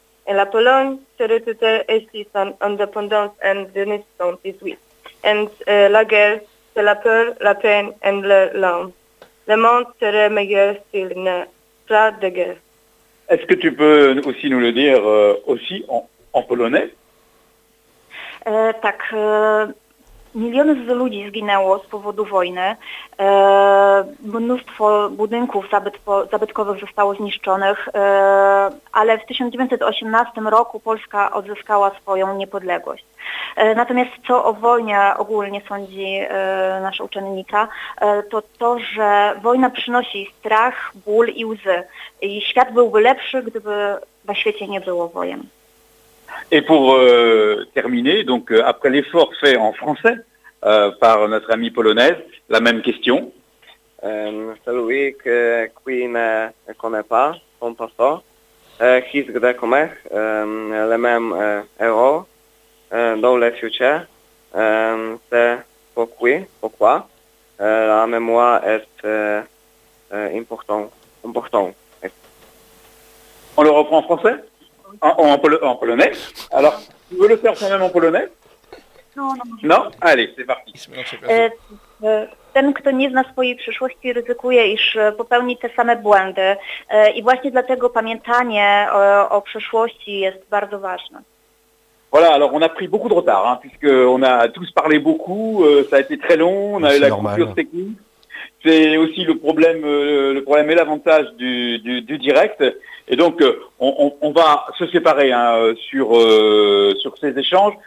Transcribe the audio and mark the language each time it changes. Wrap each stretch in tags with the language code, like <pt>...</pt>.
<fr>Et la Pologne s'est retirée ici sans indépendance en 1918. Et la guerre, c'est la peur, la peine et la larme. Le monde serait meilleur s'il n'y a pas de guerre. Est-ce que tu peux aussi nous le dire aussi en polonais?</fr> <pl>Tak, miliony ludzi zginęło z powodu wojny, mnóstwo budynków zabytkowych zostało zniszczonych, ale w 1918 roku Polska odzyskała swoją niepodległość. Natomiast co o wojnie ogólnie sądzi nasza uczennica, to, że wojna przynosi strach, ból i łzy. I świat byłby lepszy, gdyby na świecie nie było wojen.</pl> <fr>Et pour terminer, donc après l'effort fait en français par notre amie polonaise, la même question. Celui qui ne connaît pas son passeport, qui se gré comme le même héros dans le futur, c'est pourquoi la mémoire est importante. On le reprend en français? En polonais. Alors, tu veux le faire quand même en polonais? Non. Allez, c'est parti.</fr> <pl>Ten, kto nie zna swojej przyszłości, ryzykuje, iż popełni te same błędy. I właśnie dlatego pamiętanie o przeszłości jest bardzo ważne.</pl> <fr>Voilà, alors on a pris beaucoup de retard, hein, puisque on a tous parlé beaucoup, ça a été très long, on a eu la coupure technique. C'est aussi le problème et l'avantage du direct. Et donc, on va se séparer hein, sur ces échanges.</fr>